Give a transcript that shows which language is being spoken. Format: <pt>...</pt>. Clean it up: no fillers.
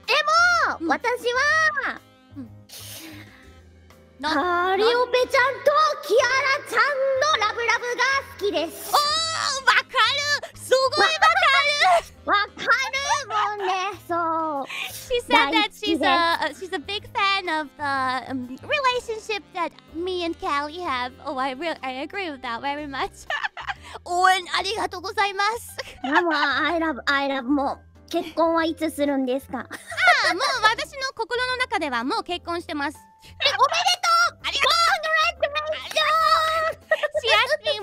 <ja>でも、私は、カリオペちゃんとキアラちゃんのラブラブが好きです。おー、わかる、すごいわかる。わかるもんね、そう。</ja> <en>She said that she's a big fan of the relationship that me and Callie have. Oh, I agree with that very much.</en> <ja>応援ありがとうございます。でも、</ja> <en>I love</en> <ja>も。結婚はいつするんですか？あ、もう私の心の中ではもう結婚してます。おめでとう！ありがとう！コングラチュレーション</ja>